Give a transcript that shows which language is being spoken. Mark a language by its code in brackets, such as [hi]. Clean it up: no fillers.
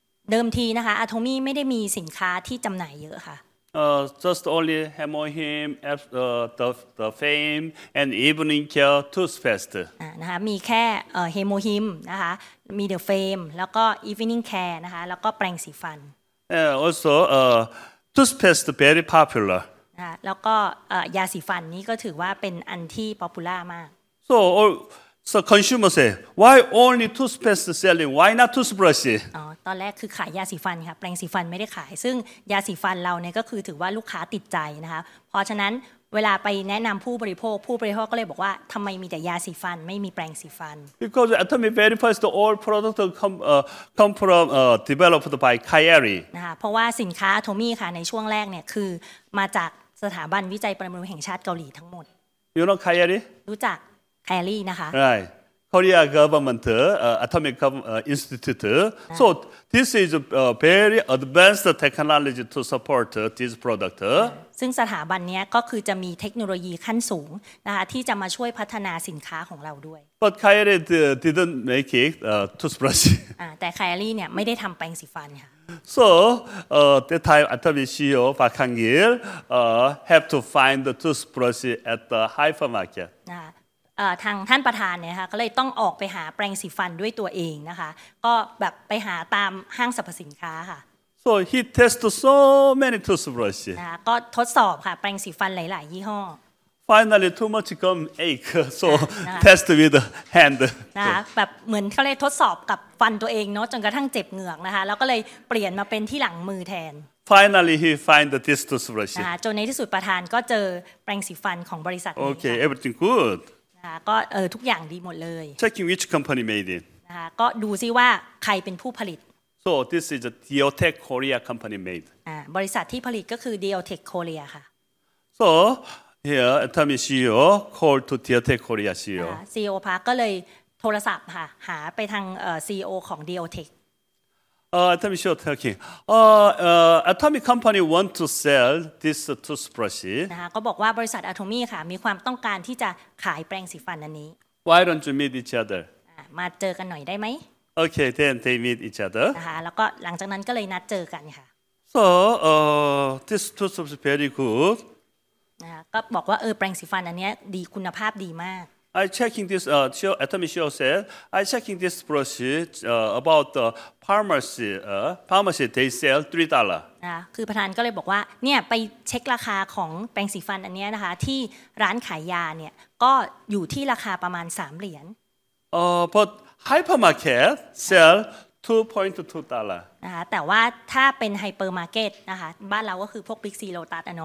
[th] เดิมทีนะคะ Atomy ไม่ได้มีสินค้าที่จำหน่ายเยอะค่ะ [en] Just only Hemohim, the Fame, and Evening Care toothpaste. [th] นะคะมีแค่Hemohim นะคะมี The Fame แล้วก็ Evening Care นะคะแล้วก็แปรงสีฟัน [en] Also toothpaste very popular. [th] ะแล้วก็ยาสีฟันนี่ก็ถือว่าเป็นอันที่ป๊อปปูล่ามาก [en] so so consumer say why only toothpaste selling why not toothbrush [th] อ๋อตอนแรกคือขายยาสีฟันค่ะแปรงสีฟันไม่ได้ขายซึ่งยาสีฟันเราเนี่ยก็คือถือว่าลูกค้าติดใจนะคะเพราะฉะนั้นเวลาไปแนะนำผู้บริโภคผู้บริโภคก็เลยบอกว่าทำไมมีแต่ยาสีฟันไม่มีแปรงสีฟัน [en] Because Atomy very first all product come from developed by Kyary [th] นะคะเพราะว่าสินค้า Atomy ค่ะในช่วงแรกเนี่ยคือมาจากสถาบันวิจัยปรมาณูแห่งชาติเกาหลีทั้งหมด [en] You know Kyary [th] รู้จัก Kyary นะคะ [en] Right Korea government Atomic Institute So this is very advanced technology to support this product [th] ซึ่งสถาบันนี้ก็คือจะมีเทคโนโลยีขั้นสูงนะคะที่จะมาช่วยพัฒนาสินค้าของเราด้วย [en] But Kyary didn't make it toothbrush [th] แต่ Kyary เนี่ยไม่ได้ทำแปรงสีฟันค่ะ [en] So that time Atomy CEO Park Hang-il have to find the toothbrush at the hypermarket [th] นะคะทางท่านประธานเนี่ยค่ะก็เลยต้องออกไปหาแปรงสีฟันด้วยตัวเองนะคะก็แบบไปหาตามห้างสรรพสินค้าค่ะ [en] So he tested so many toothbrushes. [th] นะก็ทดสอบค่ะแปรงสีฟันหลายๆยี่ห้อ [en] Finally, too much gum ache. So test with the hand. [th] นะแบบเหมือนเขาเลยทดสอบกับฟันตัวเองเนาะจนกระทั่งเจ็บเหงือกนะคะแล้วก็เลยเปลี่ยนมาเป็นที่หลังมือแทน [en] Finally, he find this toothbrush. [th] นะจนในที่สุดประธานก็เจอแปรงสีฟันของบริษัทนี้ [en] Okay, everything good. [th] นะก็ทุกอย่างดีหมดเลย [en] Checking which company made it. [th] นะก็ดูซิว่าใครเป็นผู้ผลิต [en] So this is a Diotech Korea company made. [th] บริษัทที่ผลิตก็คือ Diotech Korea ค่ะ [en] So here Atomy CEO called to Diotech Korea CEO. [th] CEO Park ก็เลยโทรศัพท์ค่ะหาไปทาง CEO ของ Diotech. [en] Atomy CEO talking. Atomy company want to sell this toothbrush. [th] ก็บอกว่าบริษัท Atomy ค่ะมีความต้องการที่จะขายแปรงสีฟันอันนี้ [en] Why don't you meet each other? [th] มาเจอกันหน่อยได้ไหม [en] Okay, then they meet each other. [th] นะคะแล้วก็หลังจากนั้นก็เลยนัดเจอกันค่ะ [en] So, this toothbrush is very good. [th] นะก็บอกว่าแปรงสีฟันอันนี้ดีคุณภาพดีมาก [en] I checking this, Atomy Shio said, I checking this brush about the pharmacy. Pharmacy, they sell $3. [th] นะคือประธานก็เลยบอกว่าเนี่ยไปเช็คราคาของแปรงสีฟันอันนี้นะคะที่ร้านขายยาเนี่ยก็อยู่ที่ราคาประมาณ $3. [en] But... Hypermarket sell $2.2. [th] นะคะแต่ว่าถ้าเป็นไฮเปอร์มาร์เก็ตนะคะบ้านเราก็คือพวกบิ๊กซีโลตัสอ่ะเน